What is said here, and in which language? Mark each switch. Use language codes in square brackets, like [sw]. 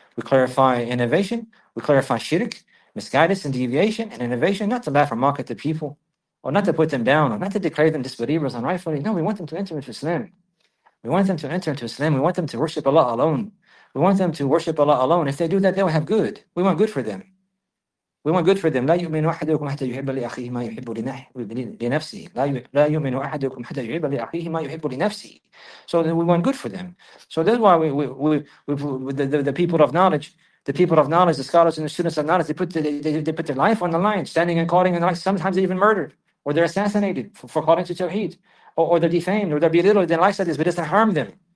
[en] We clarify innovation. We clarify shirk, misguidance and deviation and innovation, not to laugh or mock at the people. Or not to put them down, or not to declare them disbelievers unrightfully. No, we want them to enter into Islam. We want them to enter into Islam. We want them to worship Allah alone. We want them to worship Allah alone. If they do that, they will have good. We want good for them. We want good for them. [ar] لا يؤمن أحدكم حتى يحب لأخيه ما يحب لنفسه. لا يؤمن أحدكم حتى يحب لأخيه ما يحب لنفسه. [en] So then we want good for them. So that's why the people of knowledge. The people of knowledge, the scholars and the students of knowledge, they put their life on the line, standing and calling, and sometimes they're even murdered, or they're assassinated for calling to Tawheed, or they're defamed, or they're belittled, they're like this, but it doesn't harm them.